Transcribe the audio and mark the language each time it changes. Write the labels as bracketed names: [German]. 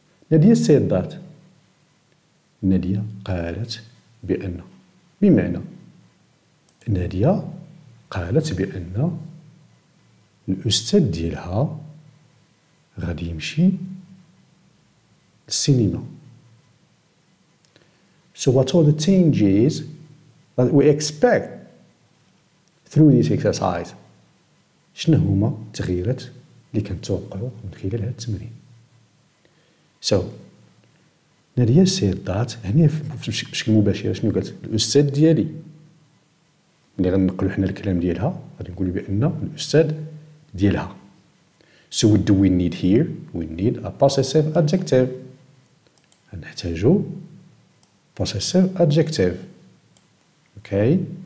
[Arabic] نادية [English] said that. [Arabic] نادية قالت بأن. بمعنى نادية قالت بأن الأستاذ ديالها غادي يمشي للسينما. [English] So what are the changes that we expect through this exercise? [Arabic] شنو هما التغييرات اللي كنتوقعوا من خلال هذا التمرين [English] so Nadia said that [Arabic] هنا بشكل مباشر شنو قالت الاستاذ ديالي ملي غنقلوا حنا الكلام ديالها غادي نقولوا بان الاستاذ ديالها سو [English] what do we need here we need a possessive adjective [Arabic] نحتاجو possessive adjective اوكي okay.